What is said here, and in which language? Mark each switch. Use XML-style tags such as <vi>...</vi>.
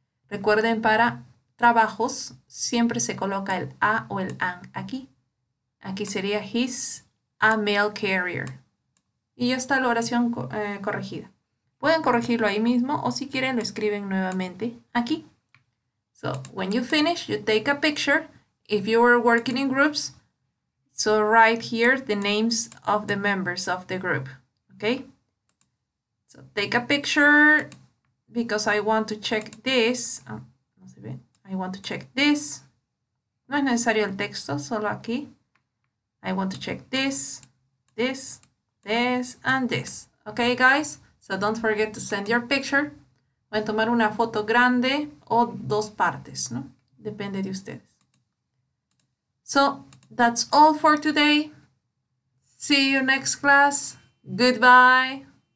<es>Recuerden, para trabajos siempre se coloca el a o el an aquí. Aquí sería</es> <en>he's a mail carrier.</en> <es>Y ya está la oración corregida. Pueden corregirlo ahí mismo o si quieren lo escriben nuevamente aquí.</es> <en>So, when you finish, you take a picture. If you are working in groups, so write here the names of the members of the group, okay? So take a picture because I want to check this. I want to check this.</en> <es>No es necesario el texto, solo aquí.</es> <en>I want to check this, this, this, and this. Okay, guys? So don't forget to send your picture.</en> <es>Pueden tomar una foto grande o dos partes, ¿no? Depende de ustedes.</es> <en>So, that's all for today. See you next class. Goodbye.</en>